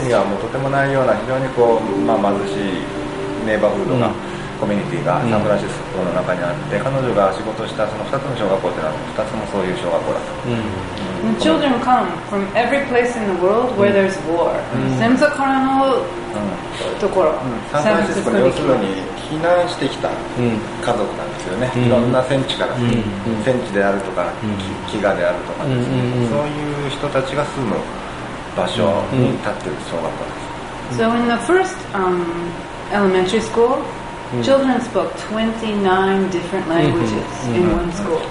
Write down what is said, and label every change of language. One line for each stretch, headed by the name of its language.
Japanese: 日本にはもうとてもないような非常にこう、まあ、貧しいネイバーフードな。コミュニティがサンフランシスコの中にあって、うん、彼女が仕事したその2つの小学校というのは2つもそういう小学校だと、うん、
English: children come from every place in the world where there's war、うん、
Japanese: 戦争からのところ、
English: う
Japanese: ん、サンフランシスコに要するに避難してきた家族なんですよね、うん、いろんな戦地から、うん、戦地であるとか、うん、飢餓であるとかです、ね、うん、そういう人たちが住む場所に立っている小学校です、う
English: ん、So in the first elementary schoolChildren spoke 29 different languages in one school.